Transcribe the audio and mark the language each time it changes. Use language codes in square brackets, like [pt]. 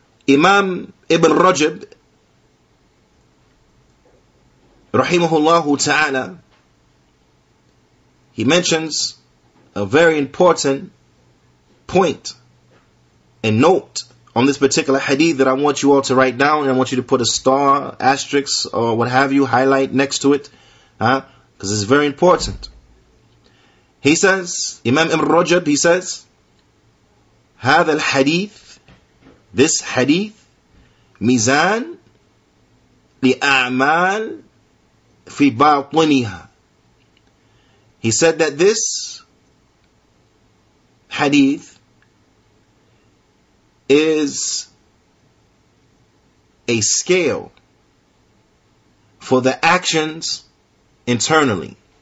[en] Imam Ibn Rajab, rahimahullahu ta'ala, he mentions a very important point and note on this particular hadith that I want you all to write down, and I want you to put a star, asterisk, or what have you, highlight next to it, because it's very important. He says, Imam Ibn Rajab, he says, [ar] هذا الحديث, [en] this hadith, [ar] ميزان لأعمال في باطنها. [en] He said that this hadith is a scale for the actions internally.